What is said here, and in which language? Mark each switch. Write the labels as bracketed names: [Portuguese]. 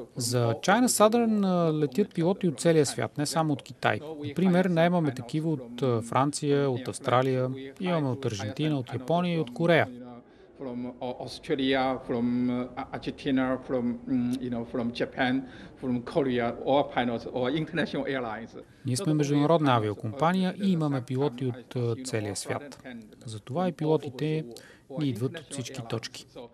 [Bulgarian] За China Southern летят пилоти от целия свят, не само от Китай. Например, наемаме такива от Франция, от Австралия, имаме от Аржентина, от Япония и от Корея. [English] From Australia, from Argentina, from from Japan, from Korea, all pilots or international airlines. [Bulgarian] Ние сме международна авиокомпания и имаме пилоти от целия свят. Затова и пилотите ни идват от всички точки.